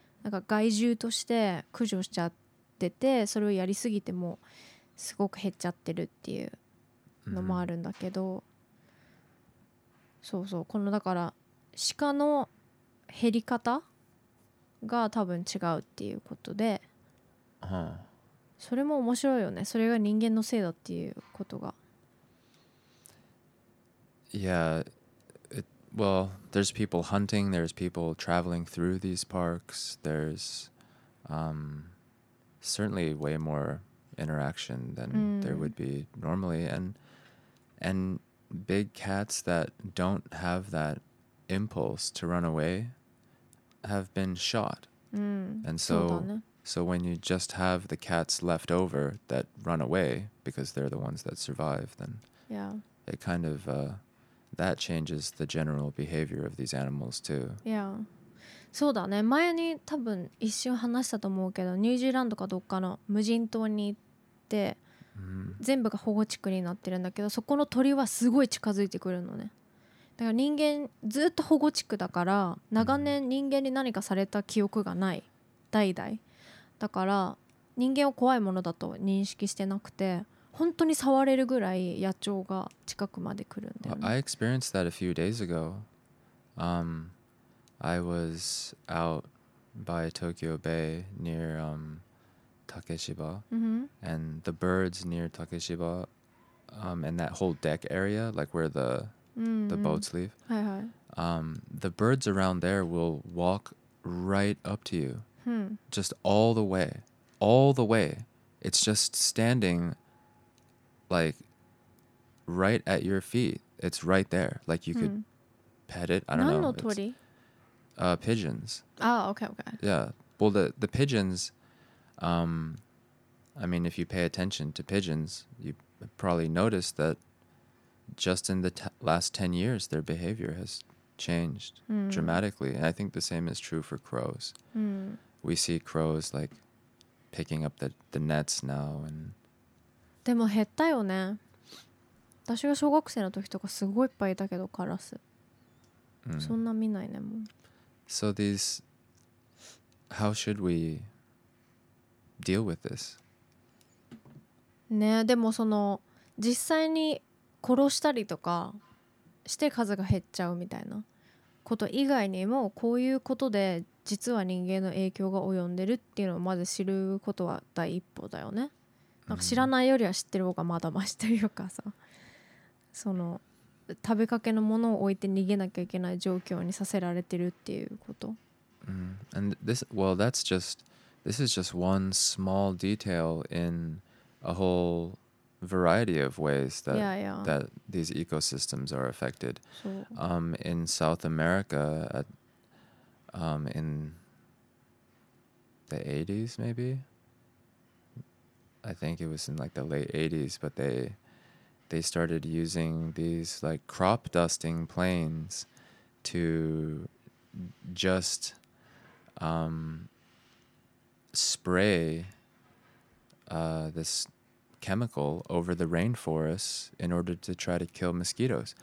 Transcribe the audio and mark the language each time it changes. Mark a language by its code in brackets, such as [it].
[ja] なんか害獣として駆除しちゃってて、それをやりすぎてもすごく減っちゃってるっていうのもあるんだけど、mm-hmm. そうそう、このだから鹿の減り方が多分違うっていうことで、それも面白いよね。それが人間のせいだっていうことが。 [en] Yeah, it, well, there's people hunting, there's people traveling through these parks, there's certainly way more interaction than there would be normally, and big cats that don't have that. Impulse to run away have been shot. And so, so when you just have the cats left over that run away because they're the ones that survive, then yeah, it kind of that changes the general behavior of these animals too. [ja] Yeah, そうだね。前に多分一瞬話したと思うけど、ニュージーランドかどっかの無人島に行って、全部が保護地区になってるんだけど、そこの鳥はすごい近づいてくるのね。だから人間ずっと保護地区だから、長年人間に何かされた記憶がない、代々だから人間を怖いものだと認識してなくて、本当に触れるぐらい野鳥が近くまで来るんだよね。 [en] I experienced that a few days ago. I was out by Tokyo Bay near Takeshiba, and the birds near Takeshiba, and that whole deck area, like where theThe boats leave. The birds around there will walk right up to you. Just all the way. All the way. It's just standing like right at your feet. It's right there. Like you could pet it. I don't know. [ja] 何の鳥? [en] Pigeons. Oh, okay, okay. Yeah. Well, the pigeons, I mean, if you pay attention to pigeons, you probably notice thatJust in the last 10 years, their behavior has changed dramatically. And I think the same is true for crows. We see crows like picking up the nets now. And... [ja] でも減ったよね。私が小学生の時とかすごいいっぱいいたけど、カラス。そんな見ないね、もう。 [en] So these... How should we deal with this? [ja] ね、でもその実際に殺したりとかして数が減っちゃうみたいなこと以外にも、こういうことで実は人間の影響が及んでるっていうのをまず知ることは第一歩だよね。なんか知らないよりは知ってる方がまだマシというかさ、その食べかけのものを置いて逃げなきゃいけない状況にさせられてるっていうこと。 [en] And this, well, that's just, this is just one small detail in a whole variety of ways that, yeah, yeah. that these ecosystems are affected. In South America, at, in the 80s maybe, I think it was in like the late 80s, but they started using these like crop dusting planes to just spray this chemical over the rainforests in order to try to kill mosquitoes.